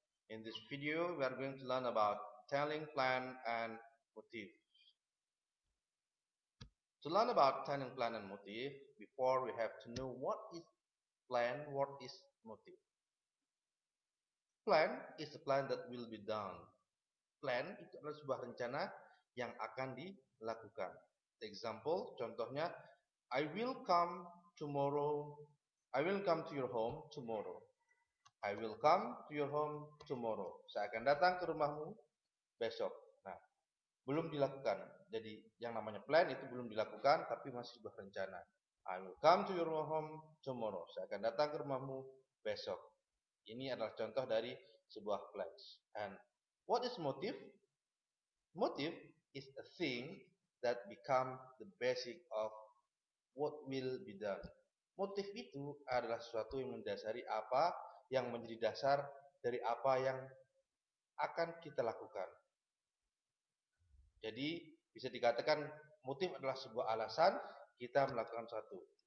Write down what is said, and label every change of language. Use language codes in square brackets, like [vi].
[en] In this video, we are going to learn about telling plan and motif. To learn about telling plan and motif, before we have to know what is plan, what is motif. Plan is a plan that will be done. [id] Plan itu adalah sebuah rencana yang akan dilakukan. [en] Example, [id] contohnya, [en] I will come tomorrow. I will come to your home tomorrow. I will come to your home tomorrow. [id] Saya akan datang ke rumahmu besok. Nah, belum dilakukan. Jadi yang namanya plan itu belum dilakukan, tapi masih sebuah rencana. [en] I will come to your home tomorrow. [id] Saya akan datang ke rumahmu besok. Ini adalah contoh dari sebuah plan. [en] And what is motive? Motive is a thing that become the basic of what will be done. [id] Motif itu adalah sesuatu yang mendasari apa yang menjadi dasar dari apa yang akan kita lakukan. Jadi, bisa dikatakan motif adalah sebuah alasan kita melakukan sesuatu.